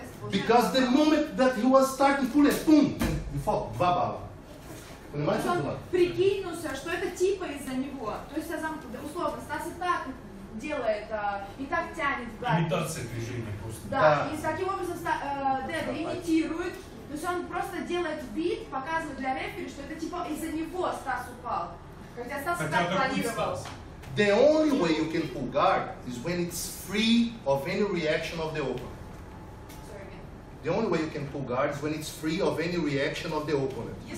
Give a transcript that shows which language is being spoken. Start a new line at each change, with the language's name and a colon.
English: Because the moment that he was starting to pull it, boom, and he fought, ba-ba.
Russian: Понимаете, что это? Прикинулся, что это типа из-за него. То есть, я замкнул, условно, Стас и так делает, и так тянет в гард. Имитация движения просто. Да, и таким образом Деда имитирует. То есть, он просто делает вид, показывает для рефери, что это типа из-за него Стас упал. Хотя Стас и так планировал.
English: The only way you can pull guard is when it's free of any reaction of the opponent. Sorry, again. The only way you can pull guard is when it's free of any reaction of the opponent.